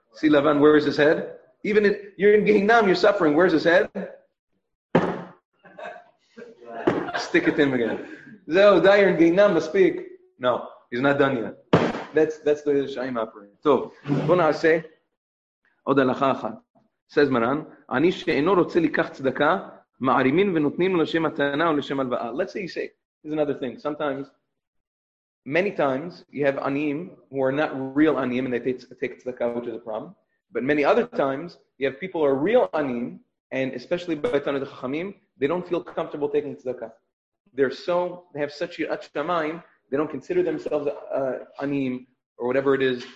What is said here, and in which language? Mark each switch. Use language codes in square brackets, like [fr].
[en] See, Lavan, where is his head? Even if you're in Gehinam, you're suffering. Where's his head? Stick it in again. Zeh, dayer in Gehinam, speak. No, he's not done yet. That's the Rishayim operator. So, [he] בוא נעשה עוד הלכה אחת. [en] Says Maran, [he] אני שאינו רוצה לקחת צדקה, מערימין ונותנים לשם התנה או לשם הלוואה. [en] Let's say you say, here's another thing. Sometimes, many times, you have aniyim who are not real aniyim and they take tzedakah, which is a problem. But many other times, you have people who are real aniyim, and especially by Tanu d'Chachamim, they don't feel comfortable taking tzedakah. They have such yirat shamayim, they don't consider themselves aniyim or whatever it is.